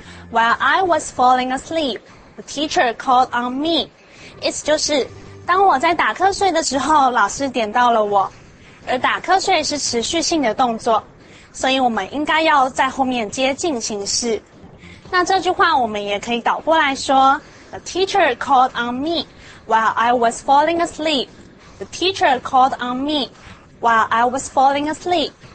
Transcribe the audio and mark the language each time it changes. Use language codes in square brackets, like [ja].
[en] While I was falling asleep, the teacher called on me. [zh] 意思就是当我在打瞌睡的时候，老师点到了我。而打瞌睡是持续性的动作，所以我们应该要在后面接进行式。那这句话我们也可以倒过来说。 [en] The teacher called on me while I was falling asleep. The teacher called on me while I was falling asleep.